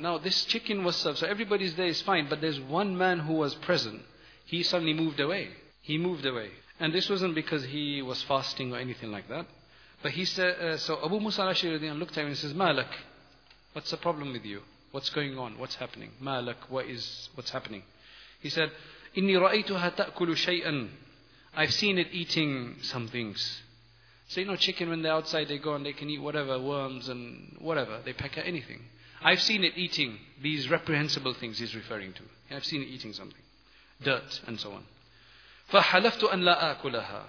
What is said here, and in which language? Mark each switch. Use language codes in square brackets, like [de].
[en] Now this chicken was served. So everybody's there is fine, but there's one man who was present. He suddenly moved away. He moved away. And this wasn't because he was fasting or anything like that. But he said, so Abu Musa al-Ashari looked at him and says, Malak, what's the problem with you? What's going on? What's happening? Malak, what's happening? He said, [ar] إِنِّي رَأَيْتُهَا تَأْكُلُ شَيْئًا. [en] I've seen it eating some things. So you know chicken, when they're outside, they go and they can eat whatever, worms and whatever. They peck at anything. I've seen it eating these reprehensible things he's referring to. I've seen it eating something. Dirt and so on. [ar] فَحَلَفْتُ أَنْ لَا أَكُلَهَا.